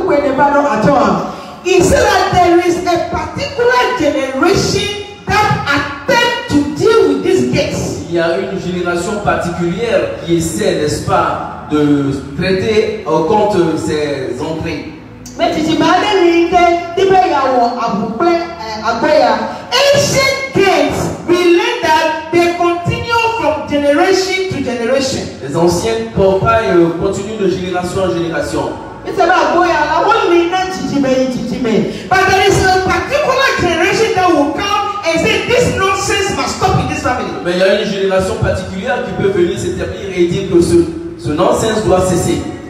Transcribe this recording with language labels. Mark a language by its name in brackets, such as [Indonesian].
[English] He said that there is a particular generation that attempt to deal with these gates. [French] Il y a une génération particulière qui essaie, n'est-ce pas, de traiter contre ces entrées. Mais tu dis, mais [English] ancient gates, we learn that they continue from generation to generation. [French] Les anciens portails continuent de génération en génération. [English] But there is a particular generation that will come and say, this nonsense must stop in this family. [French] Mais il y a une génération particulière qui peut venir s'établir et dire que ce nonsense doit cesser.